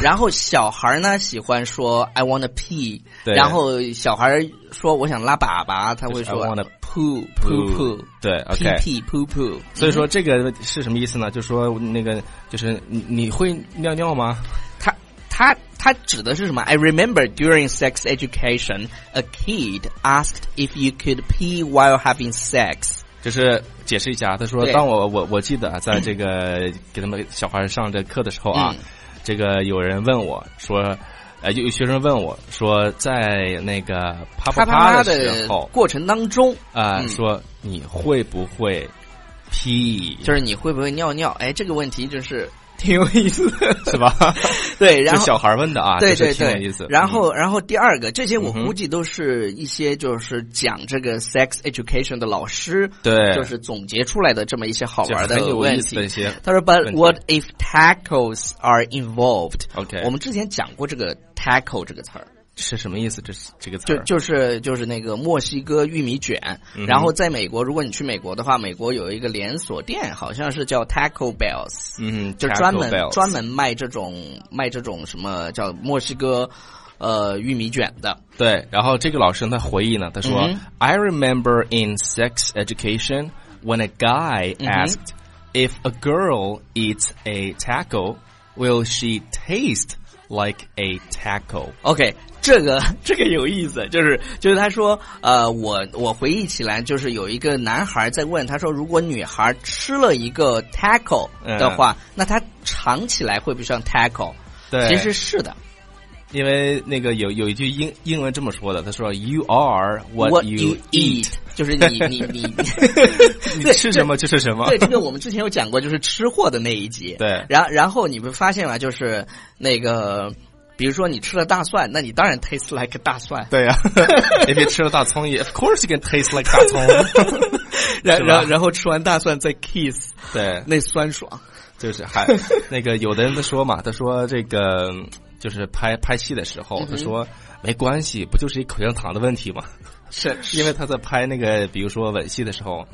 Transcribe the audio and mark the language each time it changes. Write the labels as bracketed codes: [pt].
[zh] 然后小孩呢喜欢说 [en] I wanna pee。 [zh] 对，然后小孩说我想拉粑粑，他会说、就是、 [en] I wanna poo poo poo。 [zh] 对 ，OK， [en] pee poo poo。 [zh] 所以说这个是什么意思呢？就说那个就是你会尿尿吗？他指的是什么？ [en] I remember during sex education a kid asked if you could pee while having sex。 [zh] 就是解释一下，他说当我记得在这个给他们小孩上这课的时候啊、这个有人问我说有学生问我说在那个啪啪啪的时候啪啪啪过程当中说你会不会pee，就是你会不会尿尿。哎，这个问题就是挺有意思的，是吧？对，然后小孩问的啊。对对对，就是、意思。然后第二个，这些我估计都是一些就是讲这个 sex education 的老师，对，就是总结出来的这么一些好玩的问题。很有意思。他说 [en] ，But what if tackles are involved？ OK， [zh] 我们之前讲过这个 tackle 这个词儿是什么意思？这个词就是那个墨西哥玉米卷。然后在美国，如果你去美国的话，美国有一个连锁店，好像是叫 Taco Bell's， 就专门卖这种什么叫墨西哥玉米卷的。对，然后这个老师他回忆呢，他说、 [en] I remember in sex education when a guy asked、if a girl eats a taco will she taste like a taco。 [zh] OK，这个有意思，就是他说我回忆起来，就是有一个男孩在问他说，如果女孩吃了一个 taco 的话、那他尝起来会不会像 taco。对，其实是的，因为那个有一句英文这么说的，他说 [en] "You are what you [zh] eat"， 就是你你吃什么就是什么。对，这个我们之前有讲过，就是吃货的那一集。对，然后你会发现嘛，就是那个。比如说你吃了大蒜，那你当然 [en] taste like [zh] 大蒜。对啊，也别吃了大葱也 [en] of course you can taste like [zh] 大葱。然后吃完大蒜再 kiss，对，那酸爽。就是还那个有的人都说嘛，他说这个就是拍戏的时候，他说没关系，不就是一口香糖的问题吗？是因为他在拍那个比如说吻戏的时候，